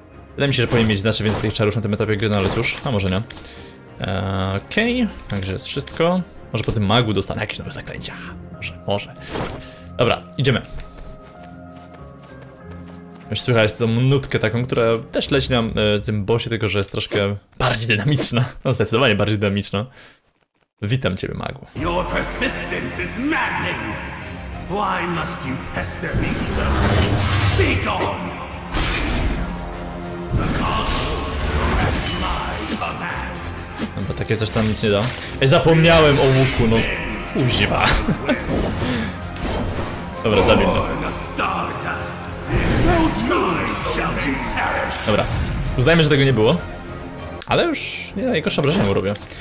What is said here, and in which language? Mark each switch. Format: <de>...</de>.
<pl>Wydaje mi się, że powinien mieć znacznie więcej tych czarów na tym etapie gry, no ale cóż, a może nie. Okej, także jest wszystko. Może po tym magu dostanę jakieś nowe zaklęcia. Może, może. Dobra, idziemy. Już słychać tą nutkę taką, która też leci nam tym bossie, tylko że jest troszkę bardziej dynamiczna. No, zdecydowanie bardziej dynamiczna. Witam ciebie, magu.</pl> <en>Your persistence is maddening. Why must you pester me so? Be gone! The castle is my command.</en> <pl>No bo takie coś tam nic nie da. Ej, zapomniałem o łuku, no. Uziwa. Dobra, zabijmy. Dobra, uznajmy, że tego nie było. Ale już nie najgorsze obrażenia mu robię.</pl>